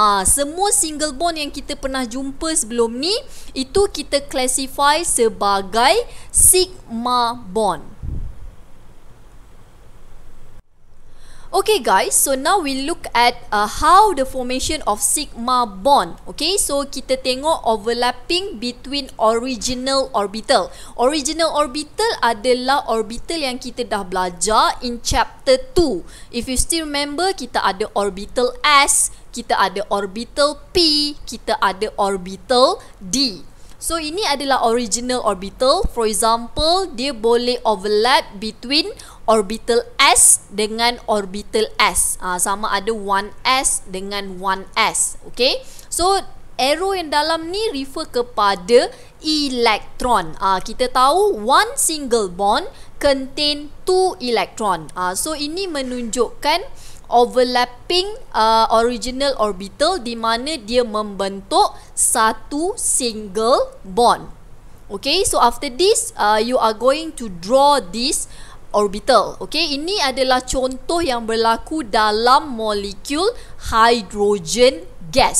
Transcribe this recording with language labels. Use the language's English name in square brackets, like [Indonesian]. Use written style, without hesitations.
[Malay] Semua single bond yang kita pernah jumpa sebelum ni, itu kita classify sebagai sigma bond. [English] Okay guys, so now we look at how the formation of sigma bond. Okay, so kita tengok overlapping between original orbital. [Malay] Original orbital adalah orbital yang kita dah belajar [English] in chapter 2. If you still remember, [Malay] kita ada orbital S, kita ada orbital P, kita ada orbital D. So ini adalah original orbital. [English] For example, [Malay] dia boleh overlap between orbital S dengan orbital S. Sama ada 1s dengan 1s. Okay, so arrow yang dalam ni refer kepada elektron. Kita tahu [English] one single bond contain two electron. [Malay] So ini menunjukkan overlapping original orbital, di mana dia membentuk satu single bond. [English] Okay, so after this, you are going to draw this orbital. [Malay] Okay, ini adalah contoh yang berlaku dalam molekul hydrogen gas.